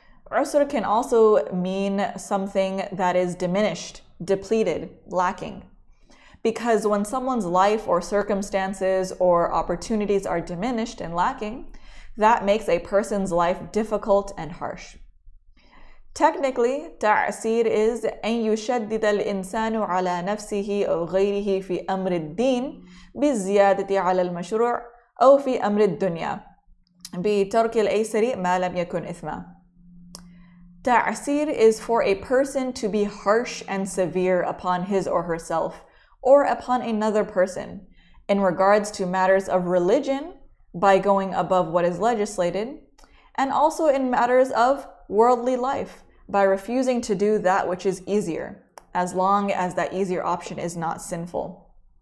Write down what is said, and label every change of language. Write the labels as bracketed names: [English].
[English] Usr can also mean something that is diminished, depleted, lacking. Because when someone's life or circumstances or opportunities are diminished and lacking, that makes a person's life difficult and harsh. Technically, ta'asir is [Arabic] أن يشدد الإنسان على نفسه أو غيره في أمر الدين بالزيادة على المشروع أو في أمر الدنيا بترك الأيسر ما لم يكن إثما. [English] Ta'asir is for a person to be harsh and severe upon his or herself, or upon another person, in regards to matters of religion, by going above what is legislated, and also in matters of worldly life, by refusing to do that which is easier, as long as that easier option is not sinful.